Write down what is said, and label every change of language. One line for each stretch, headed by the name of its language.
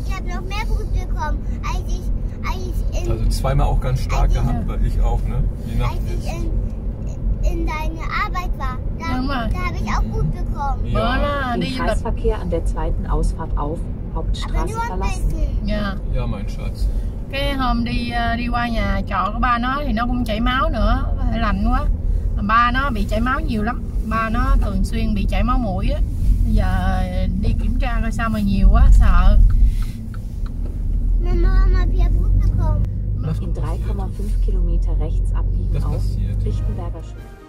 German: Ich habe noch mehr Blut bekommen, als ich also zweimal auch ganz stark gehabt, weil ich auch, ne? Die Nacht als ich in deiner Arbeit war, da habe ich auch Blut bekommen. Ja. Den Kreisverkehr an der zweiten Ausfahrt auf Hauptstraße verlassen. Ja. Ja, mein Schatz.
Vietnamese: Cái hôm đi đi qua nhà trọ của ba nó thì nó cũng chảy máu nữa, lạnh quá. Ba nó bị chảy máu nhiều lắm, ba nó thường xuyên bị chảy máu mũi á. Bây giờ đi kiểm tra coi sao mà nhiều quá, sợ.
German: Mama, mama, wir gut bekommen. In 3,5 km rechts abbiegen auf Lichtenberger Schule.